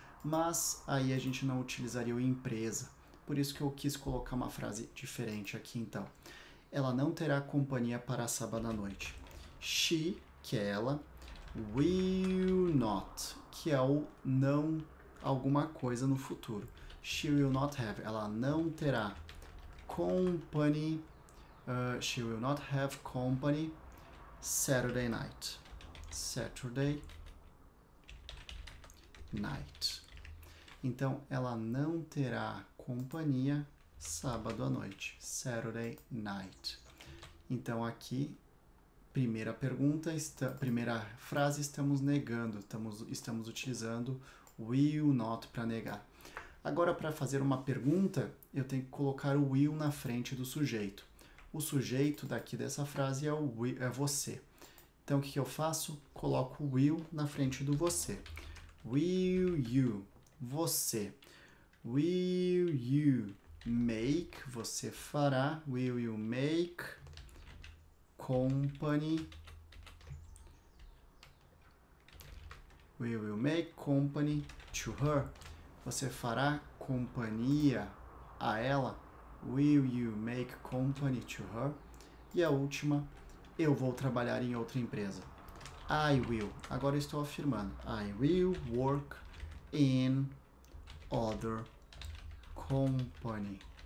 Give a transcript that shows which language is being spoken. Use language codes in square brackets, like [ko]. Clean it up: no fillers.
[pt] Mas aí a gente não utilizaria o empresa. Por isso que eu quis colocar uma frase diferente aqui, então. Ela não terá companhia para sábado à noite. She, que é ela, [en] will not, [pt] que é o não alguma coisa no futuro. [en] She will not have, [pt] ela não terá [en] company, she will not have company Saturday night. Saturday night. [pt] Então, ela não terá companhia sábado à noite. [en] Saturday night. [pt] Então, aqui, primeira pergunta, primeira frase, estamos negando, estamos utilizando will not para negar. Agora, para fazer uma pergunta, eu tenho que colocar o will na frente do sujeito. O sujeito daqui dessa frase é é você. Então, o que que eu faço? Coloco o will na frente do você. [en] Will you, você. Will you make, [pt] você fará. [en] Will you make company? Will you make company to her? [pt] Você fará companhia a ela? [en] Will you make company to her? [pt] E a última, eu vou trabalhar em outra empresa. [en] I will. [pt] Agora eu estou afirmando. [en] I will work in other company.